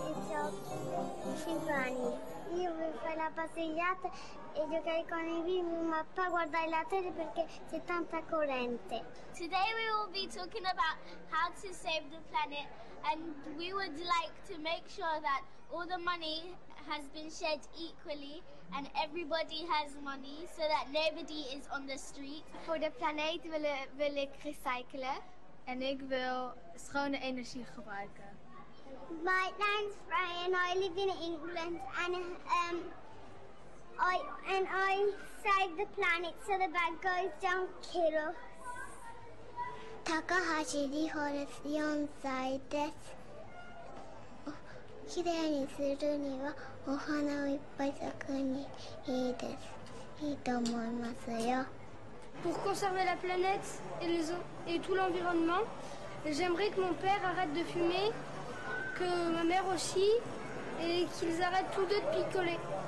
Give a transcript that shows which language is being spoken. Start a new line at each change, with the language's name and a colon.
Italian: Io vorrei fare la passeggiata e giocare con i bimbi, ma poi guardare la tele perché c'è tanta corrente.
English: Today we will be talking about how to save the planet, and we would like to make sure that all the money has been shared equally and everybody has money so that nobody is on the street.
Dutch: Voor de planeet wil ik recyclen en ik wil schone energie gebruiken.
English: My name's Frey and I live in England and I save the planet so the bad guys don't kill us.
Japanese: Takahashi Riho desu, 4 歳です。きれいにするにはお花をいっぱい咲くにいいです。いいと思いますよ。
French: Pour conserver la planète et les eaux et tout l'environnement, j'aimerais que mon père arrête de fumer. Que ma mère aussi, et qu'ils arrêtent tous deux de picoler.